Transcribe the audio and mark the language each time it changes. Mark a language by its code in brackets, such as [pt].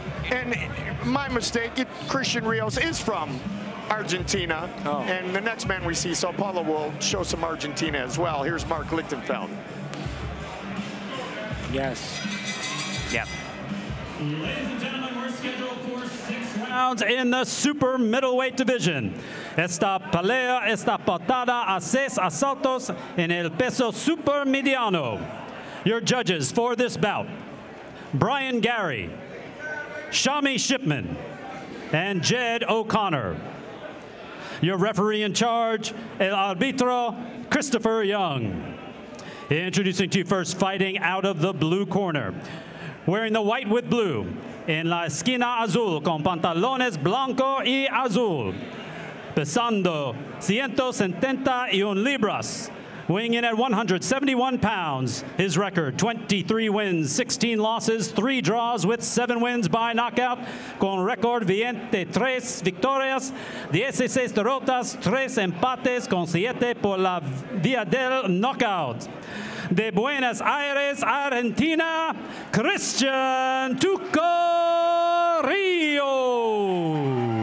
[en] And my mistake, Cristian Rios is from Argentina. Oh. And the next man we see, Sao Paulo, will show some Argentina as well. Here's Mark Lichtenfeld. Yes. Yep. Ladies and gentlemen, we're scheduled for six rounds in the super middleweight division. [es] Esta pelea está pautada a seis asaltos en el peso super mediano. [en] Your judges for this bout, Brian Gary, Shami Shipman, and Jed O'Connor. Your referee in charge, El Arbitro, Christopher Young. Introducing to you first, fighting out of the blue corner, wearing the white with blue, [es] en la esquina azul, con pantalones blanco y azul, pesando 171 libras, [en] weighing in at 171 pounds. His record, 23 wins, 16 losses, 3 draws with 7 wins by knockout. [es] Con record, 23 victorias, 16 derrotas, 3 empates con 7 por la vía del knockout. De Buenos Aires, Argentina, Cristian Tuco Rios.